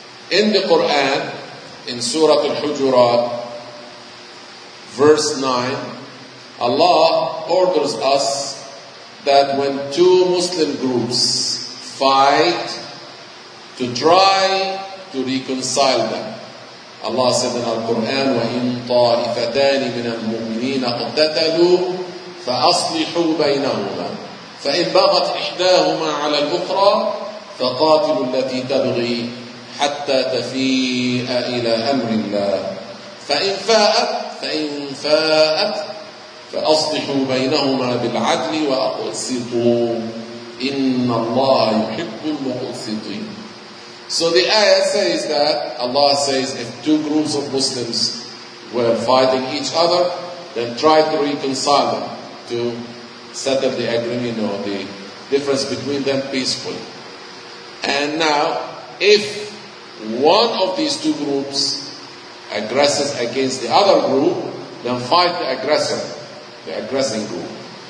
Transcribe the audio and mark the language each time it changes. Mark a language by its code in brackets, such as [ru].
[en] In the Quran, in Surah Al-Hujurat, verse 9, Allah orders us that when two Muslim groups fight, to try to reconcile them. [ar] Allah said in Al-Quran, وَإِن طَائِفَتَانِ مِنَ الْمُؤْمِنِينَ اقْتَتَلُوا فَأَصْلِحُوا بَيْنَهُمَا فَإِنْ بَغَتْ إِحْدَاهُمَا عَلَى الْأُخْرَى فَقَاتِلُوا الَّتِي تَبْغِي حَتَّى تَفِيءَ إِلَى أَمْرِ اللَّهِ فَإِنْ فَاءَتْ فَأَصْلِحُوا بَيْنَهُمَا بِالْعَدْلِ وَأَقْسِطُوا إِنَّ اللَّهَ يُحِبُّ الْمُقْسِطِينَ. [en] So the ayah says that Allah says if two groups of Muslims were fighting each other, then try to reconcile them, to set up the agreement or the difference between them peacefully. And now, if one of these two groups aggresses against the other group, then fight the aggressor, the aggressing group.